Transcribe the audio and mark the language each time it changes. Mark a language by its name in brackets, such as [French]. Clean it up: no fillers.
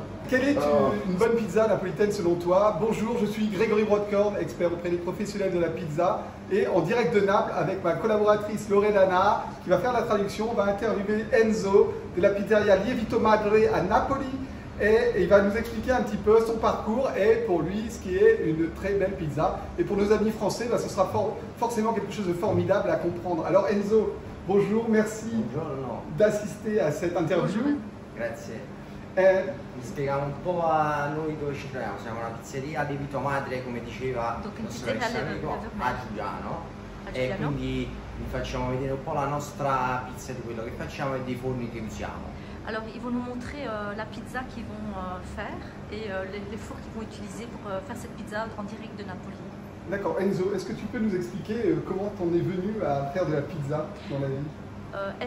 [French] Quelle est une bonne pizza napolitaine selon toi? Bonjour, je suis Grégory Brodkorn, expert auprès des professionnels de la pizza et en direct de Naples avec ma collaboratrice Loredana qui va faire la traduction. On va interviewer Enzo de la pizzeria Lievito Madre à Napoli et il va nous expliquer un petit peu son parcours et pour lui ce qui est une très belle pizza. Et pour nos amis français, ce sera forcément quelque chose de formidable à comprendre. Alors Enzo, bonjour, merci d'assister à cette interview. [Italian] Grazie. Mi spieghiamo un po' a noi dove ci troviamo. Siamo una pizzeria Lievito Madre, come diceva il nostro ex amico, a Giugiano. E quindi vi facciamo vedere un po' la nostra pizza, di quello che facciamo e dei forni che usiamo. [French] Alors, ils vont nous montrer la pizza qu'ils vont faire et les fours qu'ils vont utiliser pour faire cette pizza en direct de Napoli. D'accord. Enzo, est-ce que tu peux nous expliquer comment t'en es venu à faire de la pizza dans la vie?